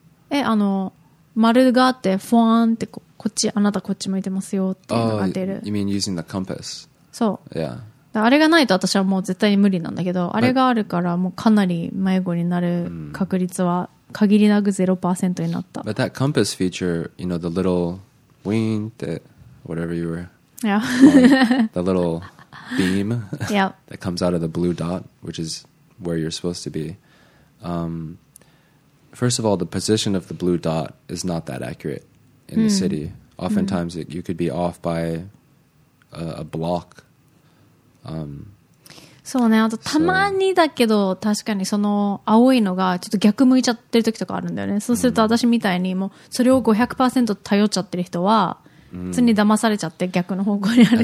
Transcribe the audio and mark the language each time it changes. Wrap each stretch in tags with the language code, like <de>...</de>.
<ja>え、あの、丸があってフォーンってこっちあなたこっち向いてますよっていうのが出る。</ja> <en>Oh, you mean using the compass?</en> <ja>そう。</ja> <en>Yeah.</en> <ja>あれがないと私はもう絶対に無理なんだけど、あれがあるからもうかなり迷子になる確率は限りなく 0% になった。</ja> <en>But that compass feature, you know, the little wing って whatever you were. Yeah. The little beam. Yeah. That comes out of the blue dot, which is where you're supposed to be. First of all, the position of the blue dot is not that accurate in the city. Oftentimes, you could be off by a block.</en> <ja>そうね。あとたまにだけど、確かにその青いのがちょっと逆向いちゃってる時とかあるんだよね。そうすると私みたいにもうそれを 500% 頼っちゃってる人は常に騙されちゃって逆の方向に歩いて</ja>